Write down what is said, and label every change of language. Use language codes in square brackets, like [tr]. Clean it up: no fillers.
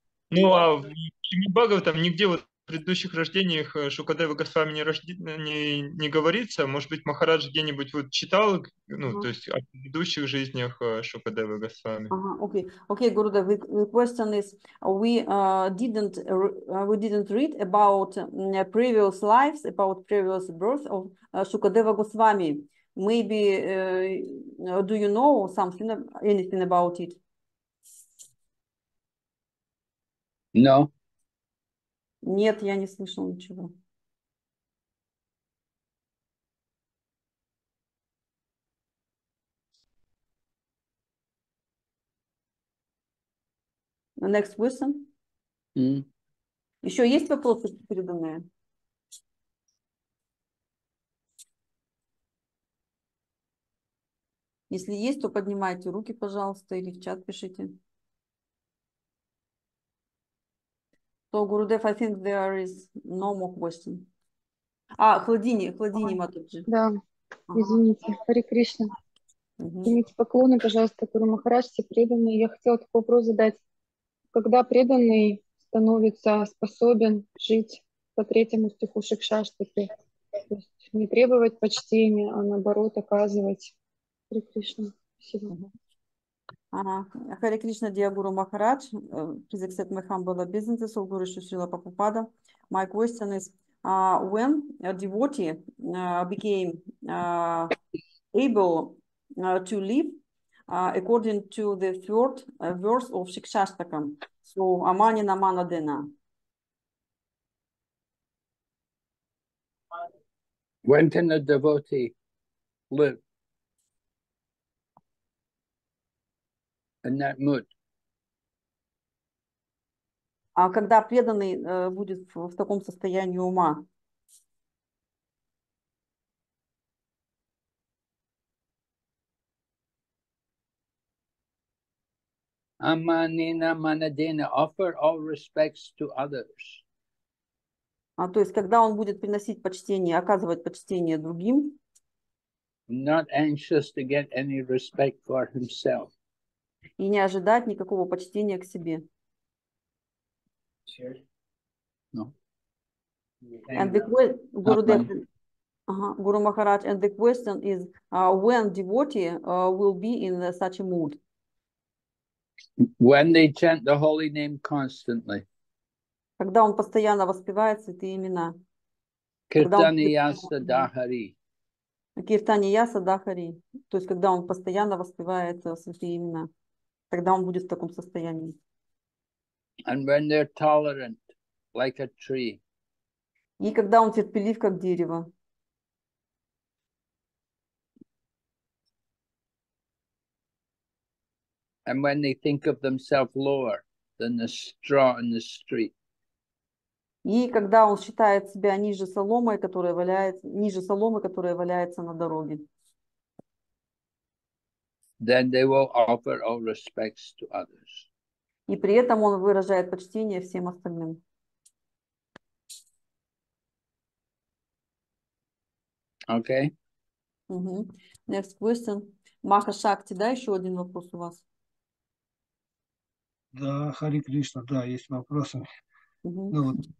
[ru] Ну, а в Бхагаватам нигде вот в предыдущих рождениях Шукадева Госвами не говорится. Может быть, Махарадж где-нибудь вот читал, ну, то есть о предыдущих жизнях Шукадева Госвами. [en] Okay, Gurudev, the question is, we didn't read about previous lives, about previous birth of Shukadeva Goswami. Maybe, do you know something, anything about it? No. [ru] Нет, я не слышал ничего. [en] Next question. [ru] Еще есть вопросы переданные? Если есть, то поднимайте руки, пожалуйста, или в чат пишите. [en] So, Gurudev, I think there is no more question. [ru] А, Хладини Матаджи. Да, извините, Хари Кришна. Примите поклоны, пожалуйста, Гуру Махарадж, все преданные. Я хотела такой вопрос задать. Когда преданный становится способен жить по третьему стиху Шикшаштаки, То есть не требовать почтения, а наоборот оказывать. Хари Кришна. Спасибо. [en] Хари Кришна Диагуру Махарадж, please accept my humble obeisances, all Guru Srila Prabhupada. My question is, when a devotee became able to live according to the third verse of Shikshastakam, so [sa] Amani Namana Dena? [en] When can a devotee live in that mood? [ru] А когда преданный будет в таком состоянии ума? [sa] Аманина манадена, [en] offer all respects to others. [ru] А то есть, когда он будет приносить почтение, оказывать почтение другим? [en] Not anxious to get any respect for himself. [ru] И не ожидать никакого почтения к себе. [en] No. And the Gurudev, Guru Maharaj, and the question is, when devotee will be in such a mood? When they chant the holy name constantly. [ru] Когда он постоянно воспевает святые имена. [sa] Киртанияса Дахари. Киртанияса Дахари. [ru] То есть, когда он постоянно воспевает святые имена. Когда он будет в таком состоянии. [en] And when they're tolerant, like a tree. [ru] И когда он терпелив, как дерево. [en] And when they think of themselves lower than the straw in the street. [ru] И когда он считает себя ниже соломы, которая валяется, ниже соломы, которая валяется на дороге. [en] Then they will offer all respects to others. [ru] И при этом он выражает почтение всем остальным. [en] Okay. Next question. [ru] Маха Шакти, да, еще один вопрос у вас? Да, Хари Кришна, да, есть вопросы. Ну вот.